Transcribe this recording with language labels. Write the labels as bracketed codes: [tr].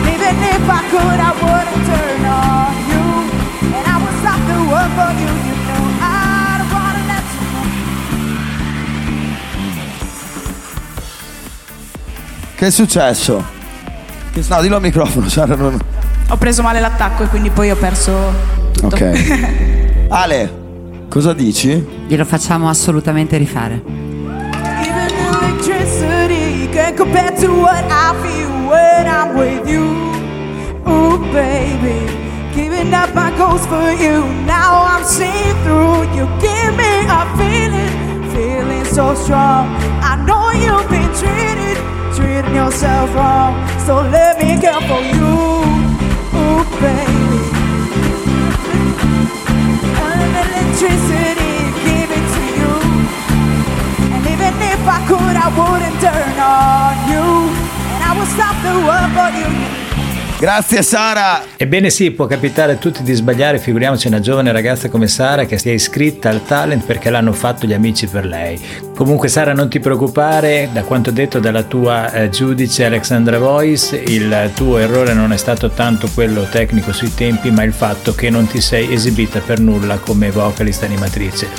[en] And if I could, I wouldn't turn on you. And I would stop the world for you. You know I don't wanna let you go. [it] Che è successo? No, dillo al microfono, Sara. Non... Ho preso male l'attacco e quindi poi ho perso tutto. Ok. Ale, cosa dici? Glielo facciamo assolutamente rifare. [en] Even electricity can can't compare to what I feel when I'm with you. Ooh, baby, giving up my goals for you. Now I'm seeing through you. Give me a feeling, feeling so strong. I know you've been treating yourself wrong. So let me care for you. Ooh, baby, I'm electricity. And if I could, I wouldn't turn on you. And I would stop the world for you. [it] Grazie Sara. Ebbene sì, può capitare a tutti di sbagliare, figuriamoci una giovane ragazza come Sara che si è iscritta al talent perché l'hanno fatto gli amici per lei. Comunque Sara, non ti preoccupare, da quanto detto dalla tua giudice Alexandra Voice, il tuo errore non è stato tanto quello tecnico sui tempi, ma il fatto che non ti sei esibita per nulla come vocalist animatrice.